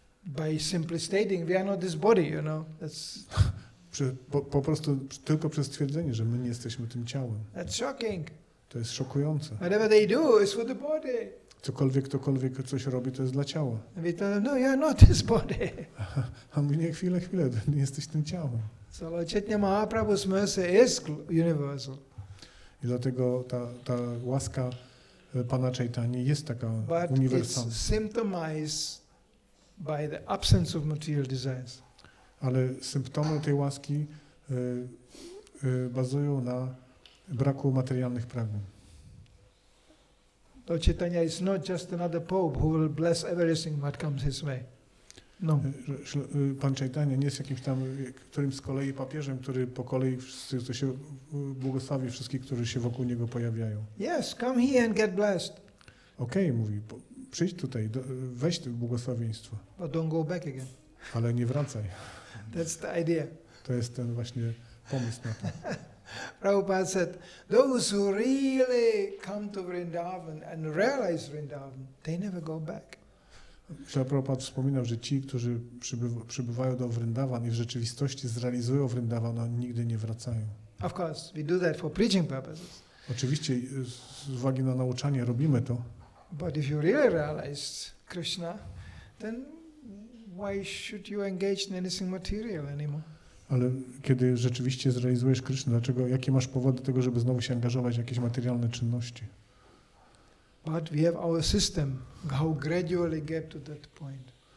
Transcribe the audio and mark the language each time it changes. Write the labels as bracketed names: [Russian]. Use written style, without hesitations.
[English] By simply stating, we are not this body, you know. That's [Polish] po prostu tylko przez stwierdzenie, że my nie jesteśmy tym ciałem. [English] That's shocking. [Polish] To jest szokujące. [English] Whatever they do is for the body. [Polish] Cokolwiek coś robi, to jest dla ciała. [English] And we tell them, no, you are not this body. [Polish] A mówi, nie, chwilę, nie jesteś tym ciałem. [English] So Lord Chaitanya Mahaprabhu's mercy is universal. [Polish] I dlatego ta łaska Pana Chaitanya jest taka uniwersalna. [English] But it's symptomized by the absence of material desires. [Polish] Ale symptomy tej łaski bazują na braku materialnych pragnień. [English] Lord Chaitanya is not just another pope who will bless everything that comes his way. No. [Polish] Pan Chaitanya nie jest jakimś tam, którymś z kolei papieżem, który po kolei wszyscy się błogosławi, wszystkich, którzy się wokół niego pojawiają. [English] Yes, come here and get blessed. [Polish] Okej, okay, mówi, przyjdź tutaj, weź to błogosławieństwo. [English] But don't go back again. [Polish] Ale nie wracaj. [English] That's the idea. [Polish] To jest ten właśnie pomysł na to. [English] Prabhupada said, those who really come to Vrindavan and realize Vrindavan, they never go back. [Polish] Śrīla Prabhupāda wspominał, że ci, którzy przybywają do Vrindavan i w rzeczywistości zrealizują Vrindavan, nigdy nie wracają. [English] Of course, we do that for preaching purposes. [Polish] Oczywiście, z uwagi na nauczanie, robimy to. [English] But if you really realize Krishna, then why should you engage in anything material anymore? [Polish] Ale kiedy rzeczywiście zrealizujesz Krysznę, dlaczego, jakie masz powody tego, żeby znowu się angażować w jakieś materialne czynności? [English] But we have our system, how gradually get to that point.